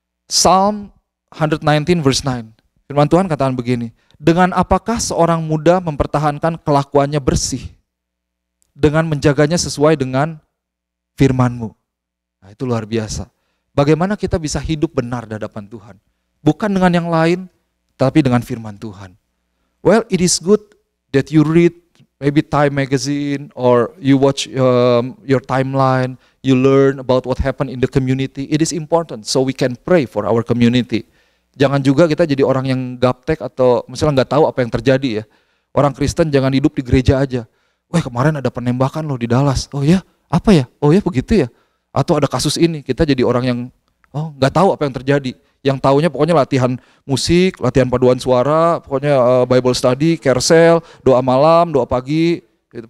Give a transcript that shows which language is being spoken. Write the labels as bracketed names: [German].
[English] Psalm 119 verse 9. [Indonesian] Firman Tuhan katakan begini, dengan apakah seorang muda mempertahankan kelakuannya bersih? Dengan menjaganya sesuai dengan firman-Mu. Nah, itu luar biasa. Bagaimana kita bisa hidup benar di hadapan Tuhan? Bukan dengan yang lain, tapi dengan firman Tuhan. [English] Well, it is good that you read maybe Time magazine or you watch your timeline, you learn about what happened in the community. It is important so we can pray for our community. [Indonesian] Jangan juga kita jadi orang yang gaptek atau misalnya gak tahu apa yang terjadi ya. Orang Kristen jangan hidup di gereja aja. Wah, kemarin ada penembakan loh di Dallas. Oh ya, apa ya? Oh ya, begitu ya? Atau ada kasus ini, kita jadi orang yang gak tahu apa yang terjadi. Yang taunya pokoknya latihan musik, latihan paduan suara, pokoknya Bible study, kersel, doa malam, doa pagi, gitu.